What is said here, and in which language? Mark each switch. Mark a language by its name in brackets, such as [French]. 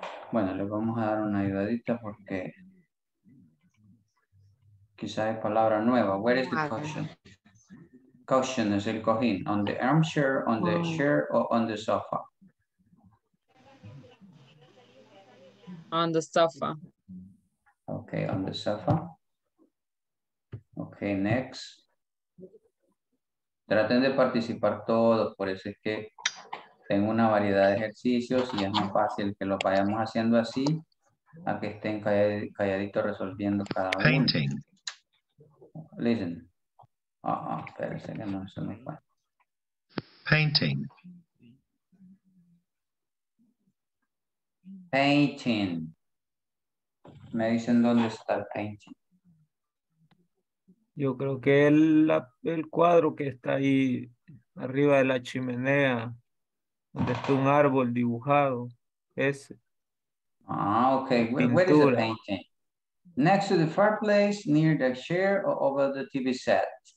[Spanish] Bueno, le vamos a dar una ayudadita porque quizás es palabra nueva. [English] Where is the cushion? [Spanish] Cushion es el cojín. [English] On the armchair, on the chair, or on the sofa? On the sofa. Okay, on the sofa. Okay, next. [Spanish] Traten de participar todos, por eso es que tengo una variedad de ejercicios y es más fácil que lo vayamos haciendo así a que estén calladitos resolviendo cada uno. [English] Painting. [Spanish] Listen. Espérense que no se me fue. [English] Painting. [Spanish] Painting. Me dicen dónde está el painting. Yo creo que el cuadro que está ahí arriba de la chimenea, donde está un árbol dibujado, ese. [English] Ah, okay. Where is the painting? Next to the fireplace, near the chair, or over the TV set?